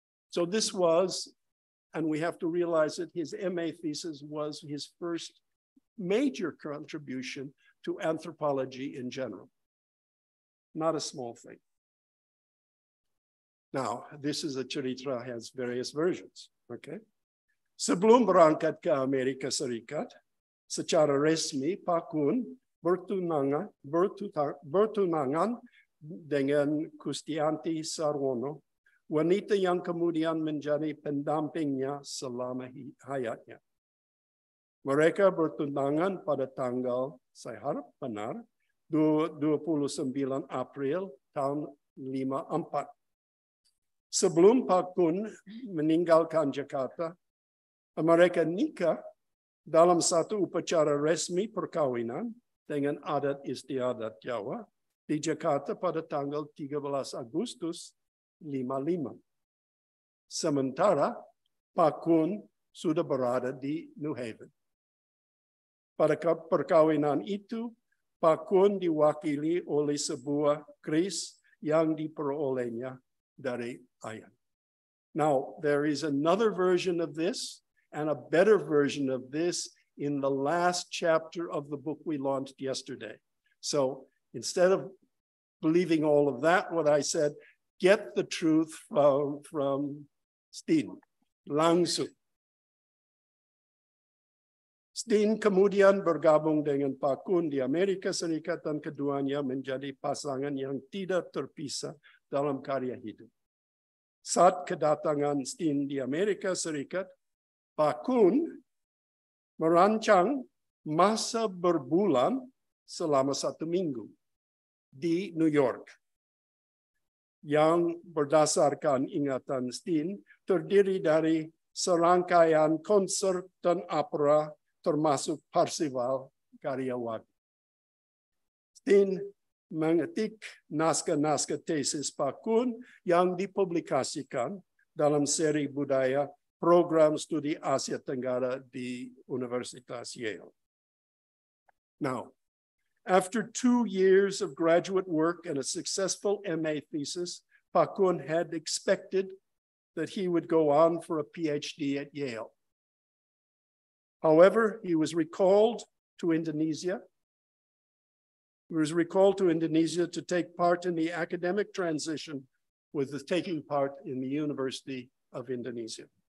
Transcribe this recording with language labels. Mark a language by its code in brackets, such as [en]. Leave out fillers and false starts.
[en] So this was, and we have to realize that his MA thesis was his first major contribution to anthropology in general. Not a small thing. Now, this is a charitra, has various versions, okay? [id] Sebelum berangkat ke Amerika Serikat, secara resmi Pak Kun bertunangan dengan Kustianti Sarwono, wanita yang kemudian menjadi pendampingnya selama hayatnya. Mereka bertunangan pada tanggal, saya harap benar, 29 April tahun 54. Sebelum Pak Kun meninggalkan Jakarta, mereka nikah dalam satu upacara resmi perkawinan dengan adat istiadat Jawa di Jakarta pada tanggal 13 Agustus 55. Sementara Pak Kun sudah berada di New Haven. Pada perkawinan itu, Pak Kun diwakili oleh sebuah kris yang diperolehnya dari ayah. [en] Now, there is another version of this and a better version of this in the last chapter of the book we launched yesterday. So instead of believing all of that, what I said, get the truth from Steen, langsung. [id] Steen kemudian bergabung dengan Pak Kun di Amerika Serikat dan keduanya menjadi pasangan yang tidak terpisah dalam karya hidup. Saat kedatangan Steen di Amerika Serikat, Pak Kun merancang masa berbulan selama satu minggu di New York, yang berdasarkan ingatan Steen terdiri dari serangkaian konser dan opera termasuk Parsifal karya Wagner. Steen mengetik naskah-naskah tesis Pak Kun yang dipublikasikan dalam seri budaya program studi Asia Tenggara di Universitas Yale. [en] Now, after 2 years of graduate work and a successful MA thesis, Pak Kun had expected that he would go on for a PhD at Yale. However, he was recalled to Indonesia. He was recalled to Indonesia to take part in the academic transition with the taking part in the University of Indonesia.